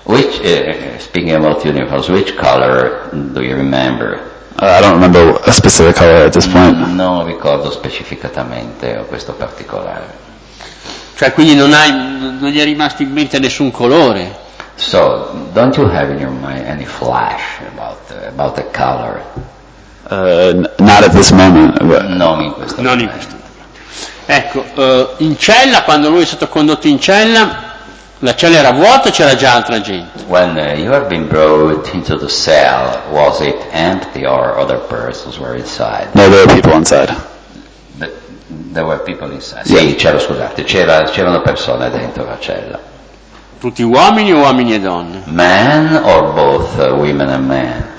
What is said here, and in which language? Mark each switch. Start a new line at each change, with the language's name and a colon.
English: Which, speaking about uniforms, which color do you remember? I don't remember a specific color at this point.
Italian: Non ricordo specificatamente questo particolare. Cioè, quindi non gli è rimasto in mente nessun colore.
English: So, don't you have in your mind any flash about the color? Not at this moment.
Italian: Non in questo momento. In questo. Ecco, in cella, quando lui è stato condotto in cella, la cella era vuota o c'era già altra gente?
English: When you have been brought into the cell, was it empty or other persons were inside? No, there were people inside. There were people inside. Yeah.
Italian: Sì, c'erano persone dentro la cella. Tutti uomini o uomini e donne?
English: Men or both women and men?